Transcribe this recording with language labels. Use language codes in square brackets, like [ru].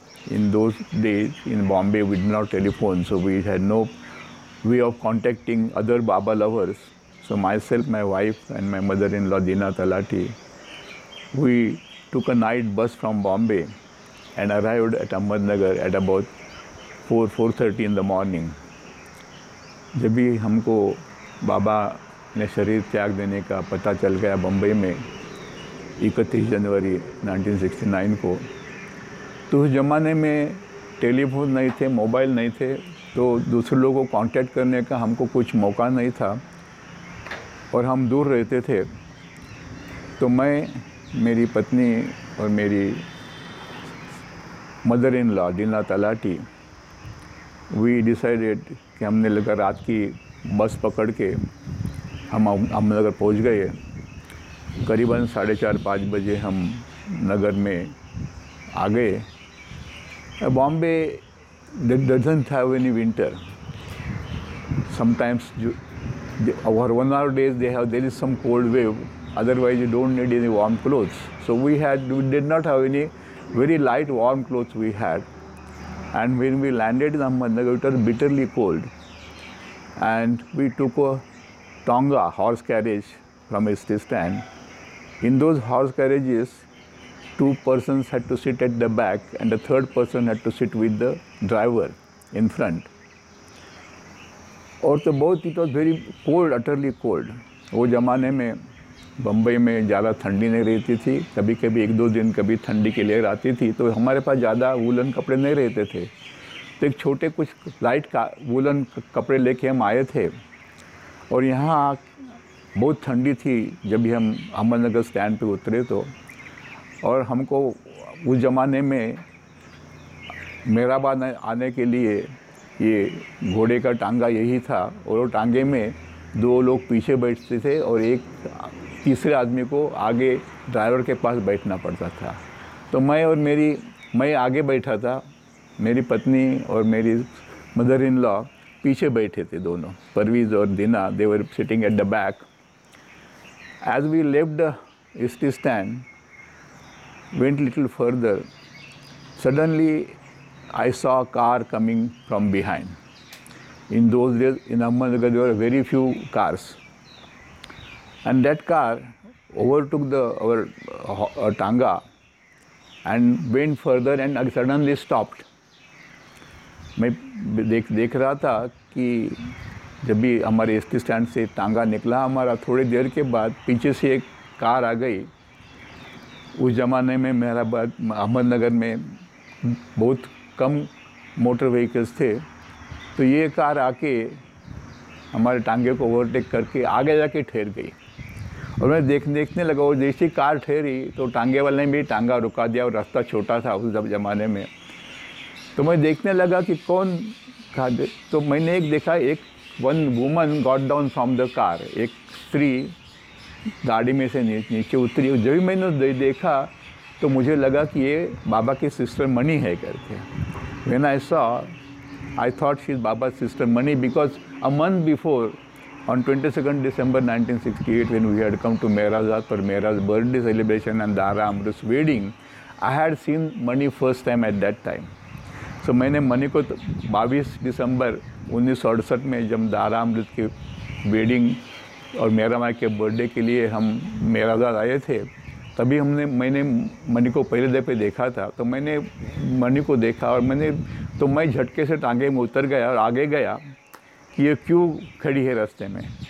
[en] In those days in Bombay, we did not telephone, so we had no way of contacting other Baba lovers. So myself, my wife and my mother-in-law Dina Talati, we took a night bus from Bombay and arrived at Ahmednagar at about 4:30 in the morning. [hi] जब भी हमको बाबा ने शरीर त्याग देने का पता चल गया बम्बई में 31 जनवरी 1969 को, तो उस ज़माने में टेलीफोन नहीं थे, मोबाइल नहीं थे, तो दूसरे लोगों को कांटेक्ट करने का हमको कुछ मौका नहीं था और हम दूर रहते थे. तो मैं, मेरी पत्नी और मेरी mother in law Dina talati, [en] we decided [hi] कि हमने लगा रात की बस पकड़ के हम अहमदनगर पहुंच गए. करीबन 4:30-5 बजे हम नगर में आ गए. [en] Bombay doesn't have any winter. Sometimes over one hour days they have, there is some cold wave, otherwise you don't need any warm clothes. So we did not have any very light warm clothes we had. And when we landed in Ahmednagar, it was bitterly cold. And we took a tonga, horse carriage, from ST stand. In those horse carriages, two persons had to sit at the back and the third person had to sit with the driver in front. [hi] Aur to bahut, [en] it was very cold, utterly cold. [hi] Wo zamane mein Bombay mein jyada thandi nahi rehti thi, kabhi kabhi ek do din kabhi thandi ke layer aati thi, to hamare paas jyada woolen kapde nahi rehte the. To ek chote kuch light ka woolen kapde leke hum aaye the aur yahan bahut thandi thi jab hi hum Ahmednagar stand pe utre. To aur humko us zamane mein Mehrabad aane ke liye ye ghode ka tanga yahi tha aur tange mein do log piche baithte the aur ek तीसरे आदमी को आगे driver के पास बैठना पड़ता था. तो मैं आगे बैठा था, मेरी पत्नी और मेरी मदर इन लॉ पीछे बैठे थे दोनों, परवीज और दीना, [en] They were sitting at the back. As we left the ST stand, went little further, suddenly I saw car coming from behind. In those days in Ahmednagar there very few cars. And that car overtook our tanga and went further and suddenly stopped. [hi] मैं देख रहा था कि जब भी हमारे ST stand से टांगा निकला हमारा, थोड़ी देर के बाद पीछे से एक कार आ गई. उस ज़माने में मेरा बात अहमदनगर में बहुत कम मोटर व्हीकल्स थे, तो ये कार आके हमारे टांगे को ओवरटेक करके आगे जाके ठहर गई. और मैं देखने लगा, वो जैसी कार ठहरी तो टांगे वाले ने भी टांगा रुका दिया, और रास्ता छोटा था उस ज़माने में. तो मैं देखने लगा कि कौन था, तो मैंने एक देखा, एक [en] one woman got down from the car, [hi] एक स्त्री गाड़ी में से नीचे उतरी. जब भी मैंने देखा तो मुझे लगा कि ये बाबा की सिस्टर मणि है करके. [en] When I saw, I thought she is Baba sister Mani, because a month before On 22nd December 1968, when we had come to Mehrazad for Mehra's birthday celebration and Dara Amrit's wedding, I had seen Mani first time at that time. [hi] So मैंने मणि को 22 दिसंबर 1968 में जब दारा अमृत की wedding और मेरा माई के birthday के लिए हम मेहराजा आए थे, तभी हमने मैंने मणि को पहले दफे देखा था. तो मैंने मणि को देखा और मैंने तो मैं झटके से टांगे में उतर गया और आगे गया कि ये क्यों खड़ी है रास्ते में.